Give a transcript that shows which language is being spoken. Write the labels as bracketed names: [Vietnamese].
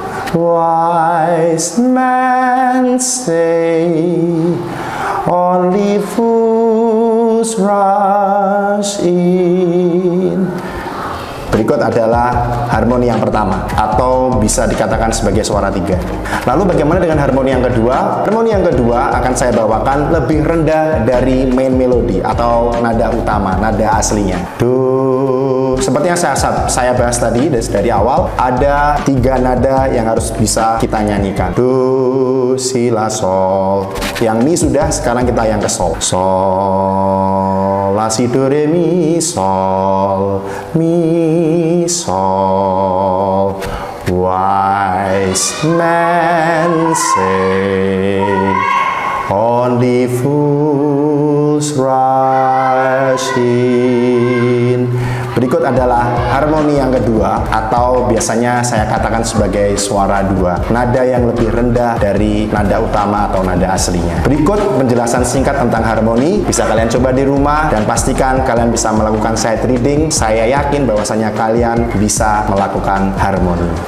[English] Wise men say only fools rush in. [Indonesian] Berikut adalah harmoni yang pertama atau bisa dikatakan sebagai suara tiga. Lalu bagaimana dengan harmoni yang kedua? Harmoni yang kedua akan saya bawakan lebih rendah dari main melody atau nada utama, nada aslinya. Do. Seperti yang saya bahas tadi dari awal, ada tiga nada yang harus bisa kita nyanyikan. Do, si, la, sol. Yang mi sudah, sekarang kita yang ke sol. Sol, la, si, do, re, mi, sol. Mi, sol. [English] Wise men say only fools rush in. [Indonesian] Berikut adalah harmoni yang kedua atau biasanya saya katakan sebagai suara dua, nada yang lebih rendah dari nada utama atau nada aslinya. Berikut penjelasan singkat tentang harmoni, bisa kalian coba di rumah dan pastikan kalian bisa melakukan sight reading. Saya yakin bahwasanya kalian bisa melakukan harmoni.